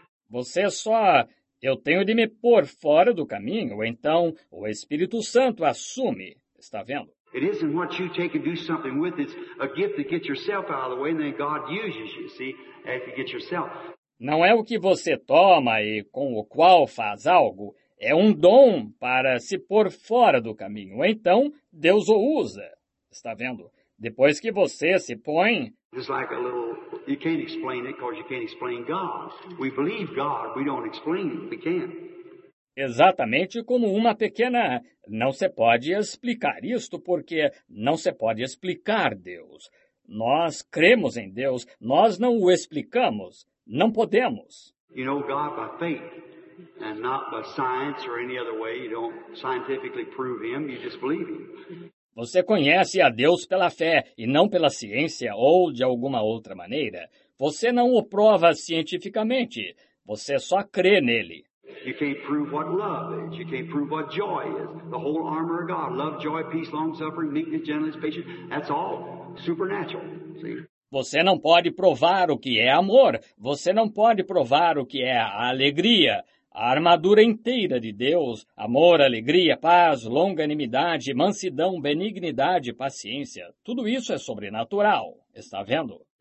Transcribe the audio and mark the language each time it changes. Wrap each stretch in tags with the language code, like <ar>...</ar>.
<pt>Você só... Eu tenho de me pôr fora do caminho, então o Espírito Santo assume. Está vendo?</pt> <en>It isn't what you take and do something with. It's a gift to get yourself out of the way, and then God uses you, see? If you get yourself.</en> <pt>Não é o que você toma e com o qual faz algo... É um dom para se pôr fora do caminho. Então, Deus o usa. Está vendo? Depois que você se põe...</pt> <en>It's like a little... You can't explain it because you can't explain God. We believe God. We don't explain it. We can't.</en> <pt>Exatamente como uma pequena... Não se pode explicar isto porque não se pode explicar Deus. Nós cremos em Deus. Nós não o explicamos. Não podemos.</pt> <en>You know God by faith. And not by science or any other way. You don't scientifically prove him, you just believe him.</en> <pt>Você conhece a Deus pela fé e não pela ciência ou de alguma outra maneira. Você não o prova cientificamente. Você só crê nele.</pt> <en>You can't prove what love is. You can't prove what joy is. The whole armor of God. Love, joy, peace, long-suffering, meekness, gentleness, patience. That's all supernatural. See?</en> <pt>Você não pode provar o que é amor. Você não pode provar o que é a alegria. A armadura inteira de Deus, amor, alegria, paz, longanimidade, mansidão, benignidade, paciência, tudo isso é sobrenatural. Está vendo?</pt>